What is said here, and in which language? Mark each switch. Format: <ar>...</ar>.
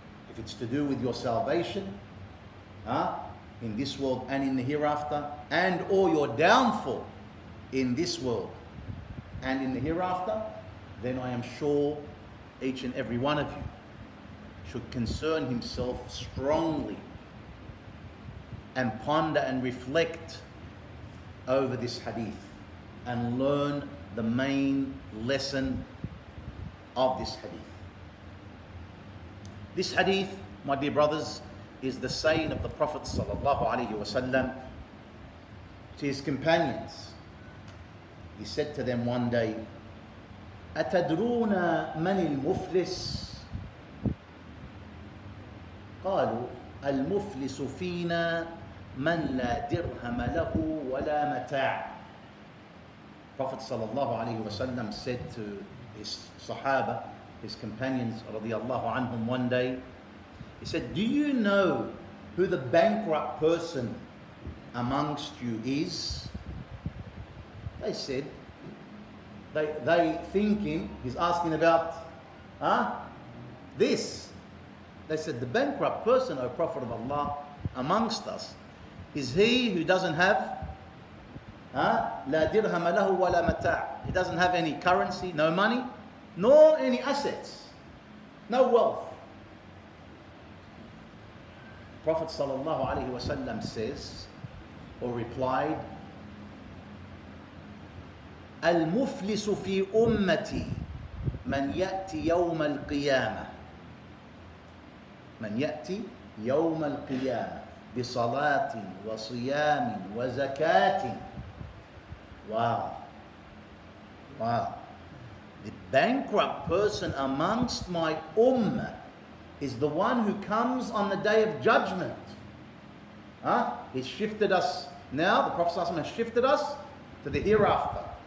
<en>If it's to do with your salvation, in this world and in the hereafter, and or your downfall in this world and in the hereafter, then I am sure each and every one of you should concern himself strongly and ponder and reflect over this hadith and learn the main lesson of this hadith. This hadith, my dear brothers, is the saying of the Prophet sallallahu alayhi wa sallam to his companions. He said to them one day,</en> <ar>أَتَدْرُونَ مَنِ الْمُفْلِسِ قَالُوا الْمُفْلِسُ فِينَا مَنْ لَا دِرْهَمَ لَهُ وَلَا مَتَاعَ.</ar> <en>Prophet sallallahu alayhi wa sallam said to his sahaba, his companions radiallahu anhum, one day, He said, do you know who the bankrupt person amongst you is? They said, they thinking, he's asking about, this. They said, the bankrupt person, O Prophet of Allah, amongst us, is he who doesn't have,</en> <ar>لا درهم له ولا متاع.</ar> <en>He doesn't have any currency, no money, nor any assets, no wealth. Prophet sallallahu alayhi wa sallam says, or replied,</en> <ar>المفلس في أمتي من يأتي يوم القيامة من يأتي يوم القيامة بصلاة وصيام وزكاة.</ar> <en>Wow. The bankrupt person amongst my ummah is the one who comes on the day of judgment. He's shifted us now. The Prophet ﷺ has shifted us to the hereafter.</en>